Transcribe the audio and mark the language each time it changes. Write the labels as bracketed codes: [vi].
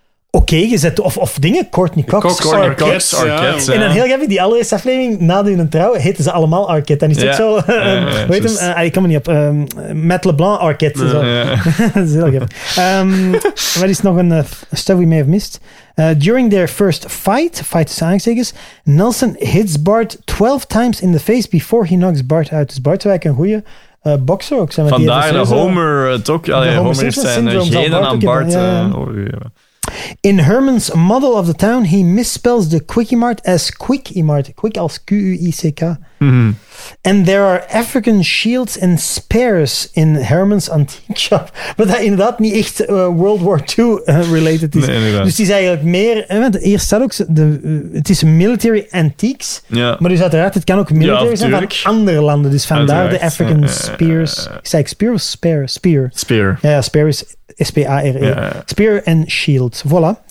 [nl] Oké, gezet. Of dingen. Courtney Cox. Courtney Cox. Arquette. En dan heel grappig, die allereerste aflevering, na hun trouw, heette ze allemaal Arquette. En is het ook zo... Weet ik kom er niet op. Matt LeBlanc Arquette. Zo. Dat is heel grappig. Wat is nog een [en] stuff we may have missed? During their first fight [nl] is aangezegd, [en] Nelson hits Bart 12 times in the face before he knocks Bart out. [nl] Dus Bart is eigenlijk een goeie bokser ook. Vandaar de Homer talk. Homer heeft zijn genen aan Bart overgegeven. [en] In Herman's model of the town, he misspells the Quickie Mart as Quickie Mart. [nl] Quick als Q-U-I-C-K. Mm-hmm. [en] And there are African shields and spears in Herman's antique shop. [nl] Maar dat inderdaad niet echt World War II related is. Nee, dus die is eigenlijk meer... Hier staat ook... Het is military antiques. [en] Yeah. [nl] Maar dus uiteraard, het kan ook military zijn van andere landen. Dus vandaar de African spears. Zeg ik spear of spear? Spear. Spear. Ja, yeah, spear is... S-P-A-R-E. Ja. Spear and Shield. Voilà.